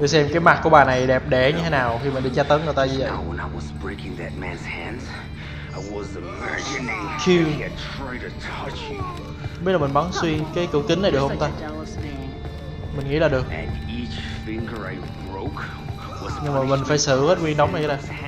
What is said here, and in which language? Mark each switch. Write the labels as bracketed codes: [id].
[vi] Để xem cái mặt của bà này đẹp đẽ như thế nào khi mà đi tra tấn người ta như vậy. [en] Now when I was breaking that man's hands, I was imagining he had tried to touch you. [vi] Biết là mình bắn xuyên cái cửa kính này được không ta? Mình nghĩ là được. [en] And each finger I broke. [vi] Nhưng mà mình phải xử hết nguyên đống này ra.